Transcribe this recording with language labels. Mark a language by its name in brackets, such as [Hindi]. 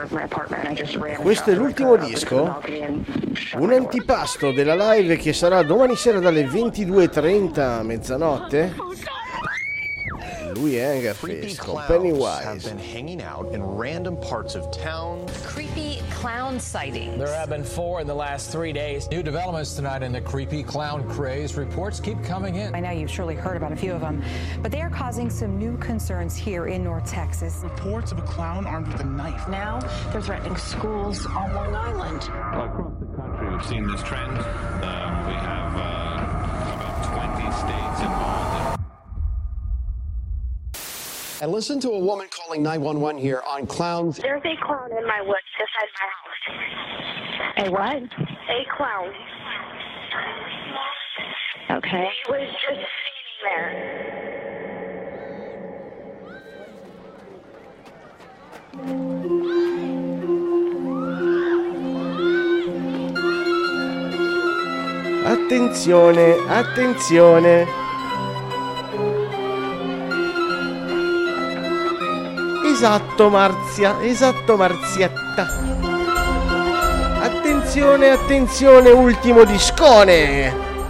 [Italian] Questo è l'ultimo disco, un antipasto della live che sarà domani sera dalle 22.30 a mezzanotte. Lui è Angerfish con Pennywise. [English] Creepy clown sightings. There have been four in the last three days. New developments tonight in the creepy clown craze. Reports keep coming in. I know you've surely heard about a few of them, but they are causing some new concerns here in North Texas. Reports of a clown armed with a knife. Now they're threatening schools on Long Island. Across the country, we've seen this trend. We have about 20 states involved. I listened to a woman calling 911 here on clowns. There's a clown in my woods beside my house. A what? A clown. Okay. He was just standing there. [Italian] Attenzione, attenzione. Esatto, Marzia, esatto, Marzietta. Attenzione, attenzione, ultimo discone.